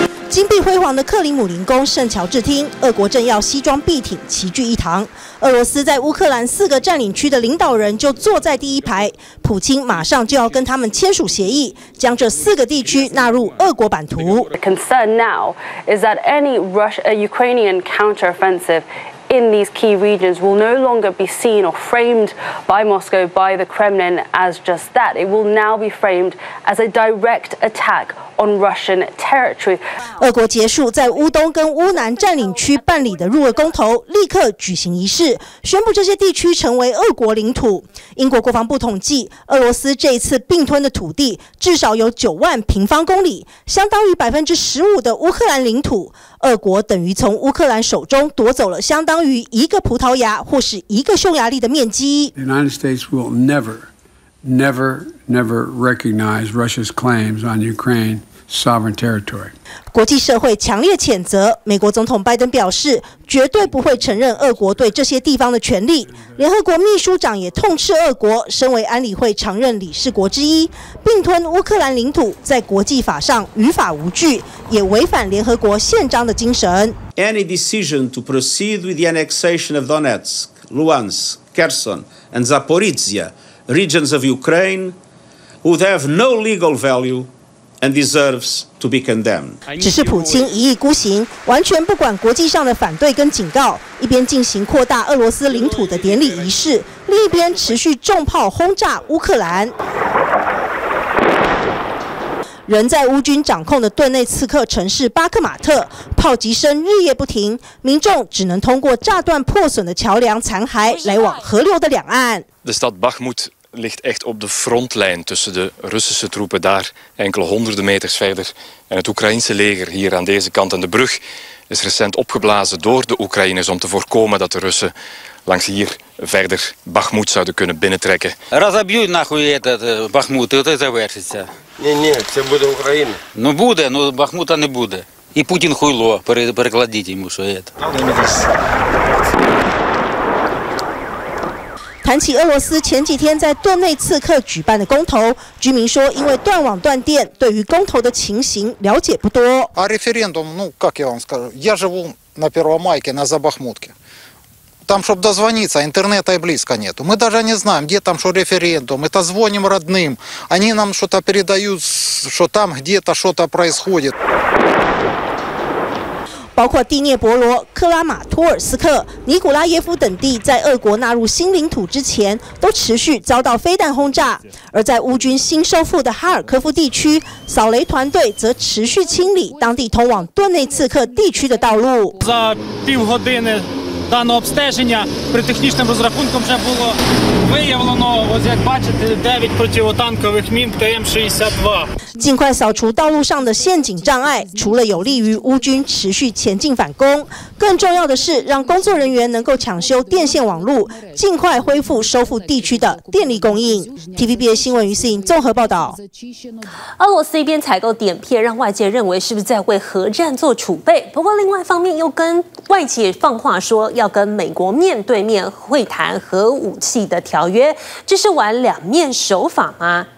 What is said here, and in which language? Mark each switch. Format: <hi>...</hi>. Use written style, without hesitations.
<zh>金碧辉煌的克里姆林宫圣乔治厅，俄国政要西装笔挺齐聚一堂，俄罗斯在乌克兰四个占领区的领导人就坐在第一排，普京马上就要跟他们签署协议，将这四个地区纳入俄国版图。</zh> <en>The concern now is that any Ukrainian counteroffensive in these key regions will no longer be seen or framed by Moscow, by the Kremlin as just that. It will now be framed as a direct attack on Russian territory.</en> <zh>俄国结束在乌东跟乌南占领区办理的入俄公投，立刻举行仪式，宣布这些地区成为俄国领土。英国国防部统计，俄罗斯这一次并吞的土地至少有9万平方公里，相当于15%的乌克兰领土。俄国等于从乌克兰手中夺走了相当于一个葡萄牙或是一个匈牙利的面积。</zh> <en>The United States will never, never, never recognize Russia's claims on Ukraine sovereign territory.</en> <zh>国际社会强烈谴责，美国总统拜登表示绝对不会承认俄国对这些地方的权利。联合国秘书长也痛斥俄国，身为安理会常任理事国之一，并吞乌克兰领土在国际法上于法无据，也违反联合国宪章的精神。</zh> <en>Any decision to proceed with the annexation of Donetsk, Luhansk, Kherson, and Zaporizhia regions of Ukraine would have no legal value and deserves to be condemned.</en> <zh>只是普京一意孤行，完全不管国际上的反对跟警告，一边进行扩大俄罗斯领土的典礼仪式，另一边持续重炮轰炸乌克兰。人在乌军掌控的顿内茨克城市巴克马特，炮击声日夜不停，民众只能通过炸断破损的桥梁残骸来往河流的两岸。</zh> <nl>The stad Bakhmut ligt echt op de frontlijn tussen de Russische troepen daar enkele honderden meters verder en het Oekraïense leger hier aan deze kant. En de brug is recent opgeblazen door de Oekraïners om te voorkomen dat de Russen langs hier verder Bakhmut zouden kunnen binnentrekken.</nl> <ru>Разобьют нахуй этот Бахмут, это завершится. Не-не, все будет Украина. Ну будет, но Бахмута не будет. И Путин хуйло, перекладите ему, что это.</ru> <zh>谈起俄罗斯前几天在顿内茨克举办的公投，居民说因为断网断电，对于公投的情形了解不多。</zh> <ru>А референдум, ну как я вам скажу, я живу на Первомайке, на Забахмутке. Там, чтобы дозвониться, интернета и близко нету. Мы даже не знаем, где там что референдум. Мы-то звоним родным, они нам что-то передают, что там где-то что-то происходит.</ru> <zh>包括第聂伯罗、克拉马托尔斯克、尼古拉耶夫等地，在俄国纳入新领土之前，都持续遭到飞弹轰炸。而在乌军新收复的哈尔科夫地区，扫雷团队则持续清理当地通往顿内茨克地区的道路。</zh> <uk>за півгодини даного обстеження при технічним розрахунком вже було виявлено, ось як бачите, 9 противотанкових мін ТМ-62.</uk> <zh>尽快扫除道路上的陷阱障碍，除了有利于乌军持续前进反攻，更重要的是让工作人员能够抢修电线网络，尽快恢复收复地区的电力供应。 TVBS 新闻于思颖综合报道。俄罗斯一边采购碘片，让外界认为是不是在为核战做储备，不过另外一方面又跟外界放话说要跟美国面对面会谈核武器的条约，这是玩两面手法吗？</zh>